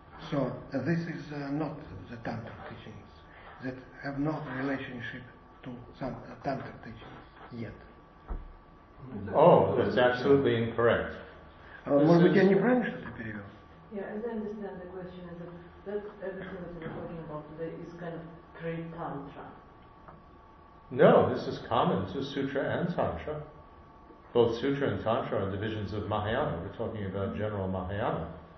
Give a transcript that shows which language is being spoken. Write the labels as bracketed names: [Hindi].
[English] So this is not the tantra teachings that have no relationship to some tantra teachings yet. Oh, that's absolutely incorrect. [Russian] Может быть, я неправильно что-то перевел? [English] Yeah, as I understand the question, is that everything that we're talking about today is kind of pre-tantra. No, this is common. This is sutra and tantra. Both sutra and tantra are divisions of Mahayana. We're talking about general Mahayana.